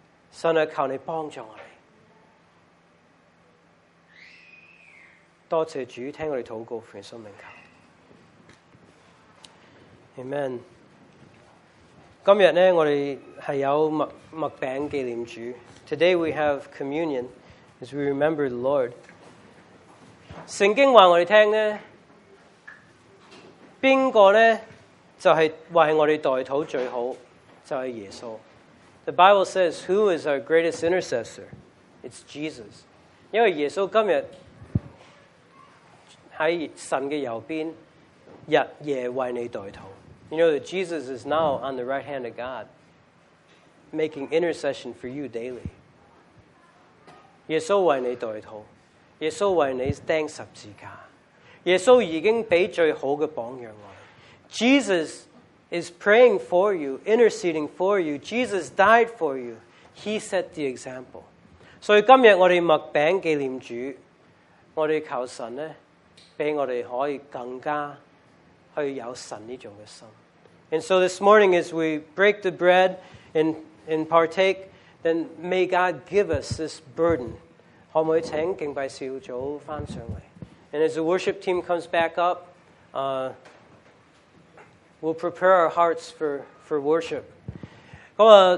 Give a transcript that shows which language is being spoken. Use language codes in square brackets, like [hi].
[yue] 神啊，求你帮助我哋。多谢主听我哋祷告，奉主名求。Amen。今天呢，我们是有麦饼纪念主。 [en] Today we have communion as we remember the Lord。 [yue] 圣经告诉我们听呢，谁呢，就是为我们代祷最好，就是耶稣。 [en] The Bible says, who is our greatest intercessor? It's Jesus。 [yue] 因为耶稣今天在神的右边，日夜为你代祷。 [en] You know that Jesus is now on the right hand of God, making intercession for you daily. [yue] 耶稣为你代祷，耶稣为你钉十字架，耶稣已经俾最好嘅榜样我。 [en] Jesus is praying for you, interceding for you. Jesus died for you. He set the example. [yue] 所以今日我哋麦饼纪念主，我哋求神咧，俾我哋可以更加去有神呢种嘅心。 [en] And so this morning, as we break the bread and partake, then may God give us this burden. [yue] 可唔可以请敬拜小组翻上嚟？ [en] And as the worship team comes back up, we'll prepare our hearts for worship.